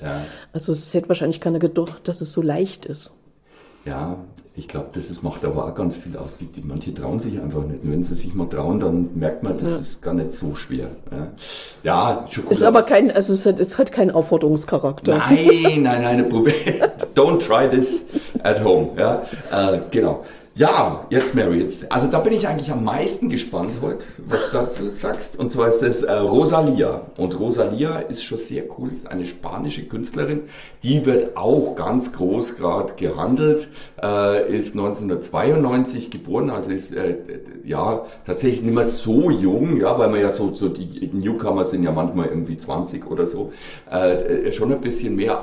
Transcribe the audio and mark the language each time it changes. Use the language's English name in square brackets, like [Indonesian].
[German] Ja. Also es hätte wahrscheinlich keiner gedacht, dass es so leicht ist. Ja, Ich glaube, das macht aber auch ganz viel aus. Manche trauen sich einfach nicht. Und wenn sie sich mal trauen, dann merkt man, das Ja. ist gar nicht so schwer. Ja, schon Ist cool, aber aber. kein, also es hat keinen Aufforderungscharakter. Nein, nein, nein, [English] don't try this at home. [German] Ja, genau. Ja, jetzt Mary, jetzt. Also da bin ich eigentlich am meisten gespannt heute, was dazu sagst. Und zwar ist es Rosalia. Und Rosalia ist schon sehr cool, ist eine spanische Künstlerin. Die wird auch ganz groß gerade gehandelt. Ist 1992 geboren, also ist ja tatsächlich nicht mehr so jung, ja, weil man ja so die Newcomer sind ja manchmal irgendwie 20 oder so. Schon ein bisschen mehr.